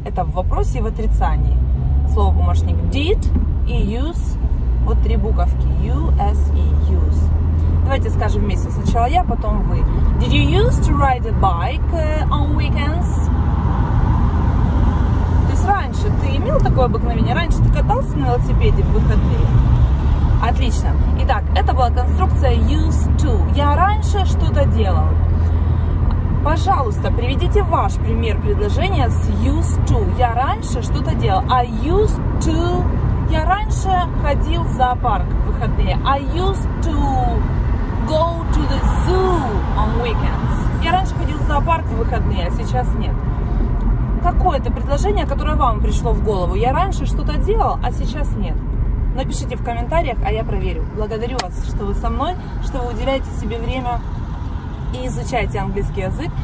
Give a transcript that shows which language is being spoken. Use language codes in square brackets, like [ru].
[ru] Это в вопросе и в отрицании. Слово-помощник did и use, вот три буковки, us и use. Давайте скажем вместе, сначала я, потом вы. [en] Did you used to ride a bike on weekends? [ru] То есть раньше ты имел такое обыкновение? Раньше ты катался на велосипеде в выходные? Отлично. Итак, это была конструкция used to. Я раньше что-то делал. Пожалуйста, приведите ваш пример предложения с used to. Я раньше что-то делал. [en] I used to... [ru] Я раньше ходил в зоопарк в выходные. [en] I used to go to the zoo on weekends. [ru] Я раньше ходил в зоопарк в выходные, а сейчас нет. Какое-то предложение, которое вам пришло в голову. Я раньше что-то делал, а сейчас нет. Напишите в комментариях, а я проверю. Благодарю вас, что вы со мной, что вы уделяете себе время и изучаете английский язык.